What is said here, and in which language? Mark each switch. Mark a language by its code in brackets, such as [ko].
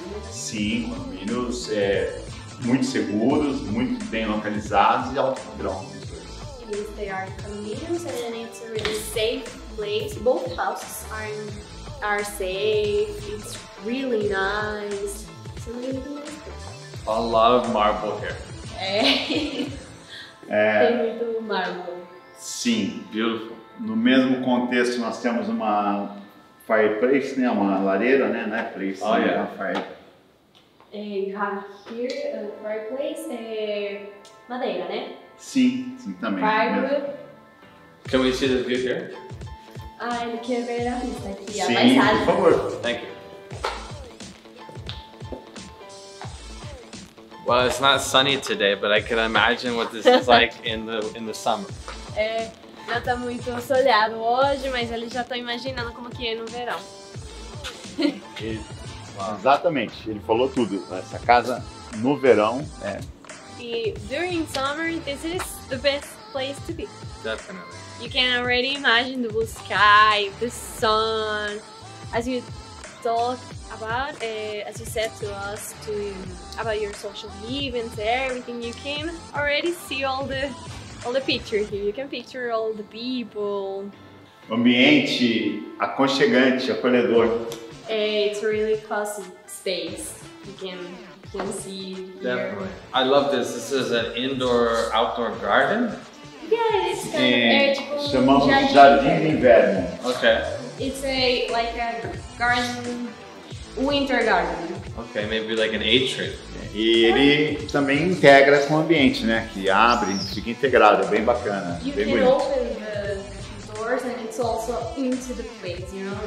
[pt] Sim, condomínios muito seguros, muito bem localizados e alto padrão. [en] They are condominiums and it's a really safe place. Both houses are safe. It's really nice. It's really nice. A lot of marble here. [pt] Tem muito mármore. Sim, [en] beautiful. [pt] No mesmo contexto, nós temos uma fireplace, né? Uma lareira, né? Não é fire. [en] Oh, yeah. You have here a fireplace, madeira, né? [pt] Sim, sim, também. [en] Firewood. Can we see the view here? [pt] Ah, ele quer ver a vista aqui, a paisagem. Sim, por favor. [en] Thank you. Well, it's not sunny today, but I can imagine what this is like in the summer. [pt] Não tá muito solhado hoje, mas ele já tá imaginando como que é no verão. Exatamente, ele falou tudo. Essa casa no verão é. [en] E during summer, this is the best place to be. Definitely. You can already imagine the blue sky, the sun, as you talk about, as you said to us, about your social events, everything, you can already see all the picture here. You can picture all the people. [pt] O ambiente aconchegante, acolhedor. [en] It's a really cozy space. You can see. Definitely. I love this. This is an indoor-outdoor garden? Yeah, it's kind of [pt] edible. Chamamos jardim de inverno. [en] Okay. It's like a garden. Winter garden. Ok, maybe like an atrium. [pt] E ele também integra com o ambiente, né? Que abre, fica integrado, é bem bacana. [en] You [pt] bem [en] can [pt] bonito. [en] Open the doors and it's also into the place, you know?